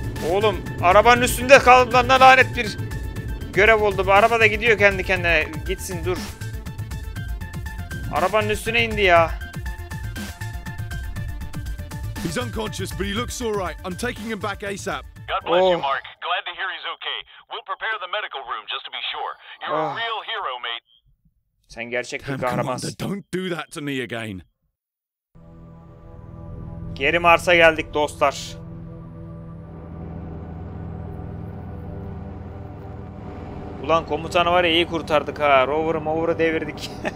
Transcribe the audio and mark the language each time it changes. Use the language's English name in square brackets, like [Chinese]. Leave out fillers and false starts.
[Turkish] Oğlum arabanın üstünde kaldım lan, lanet bir görev oldu. Bu araba da gidiyor kendi kendine. Gitsin dur. Arabanın üstüne indi ya. [English] He's unconscious but he looks all right. I'm taking him back ASAP. God bless you, Mark. Glad to hear he's okay. We'll prepare the medical room just to be sure. You're a real hero, mate. [Turkish] Sen gerçek bir kahramansın. [English] Don't do that to me again. [Turkish] Geri Mars'a geldik dostlar. Ulan komutanı var ya, iyi kurtardık ha. Rover'ı mover'ı devirdik.